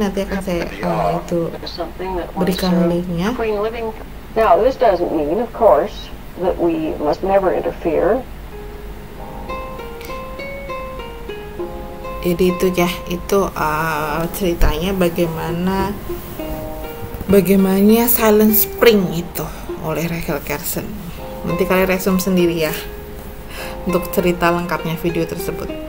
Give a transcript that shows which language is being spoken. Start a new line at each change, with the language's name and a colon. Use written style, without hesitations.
Indonesian: Nanti akan saya itu berikan linknya.
English: Now this doesn't mean, of course, that we must never interfere.
Indonesian: Jadi itu ya, itu ceritanya bagaimana Silent Spring itu oleh Rachel Carson. Nanti kalian resume sendiri ya untuk cerita lengkapnya video tersebut.